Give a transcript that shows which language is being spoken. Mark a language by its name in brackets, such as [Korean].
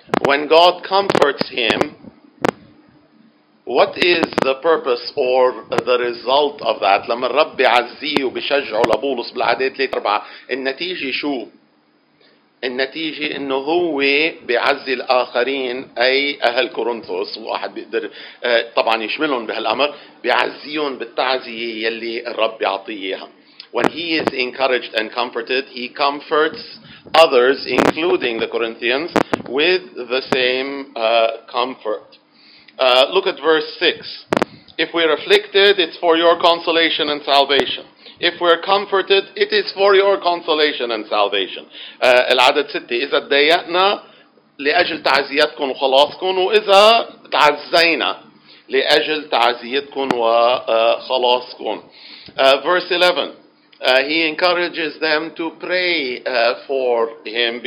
[English] When God comforts him, what is the purpose or the result of that? [Arabic] لما الرب بيعزيه وبيشجعه لبولس بالعدد 3 4 النتيجة شو؟ النتيجة انه هو بيعزي الاخرين اي اهل كورنثوس واحد بيقدر طبعا يشملهم بهالامر بيعزيهم بالتعزية يلي الرب بيعطيه اياها. [English] when he is encouraged and comforted, he comforts others, including the Corinthians, with the same comfort. Look at verse 6. If we are afflicted, it's for your consolation and salvation. If we're comforted, it is for your consolation and salvation. [Arabic] العدد 6 إذا تضايقنا لأجل تعزيتكم وخلاصكم وإذا تعزينا لأجل تعزيتكم وخلاصكم. [English] Verse 11, he encourages them to pray for him.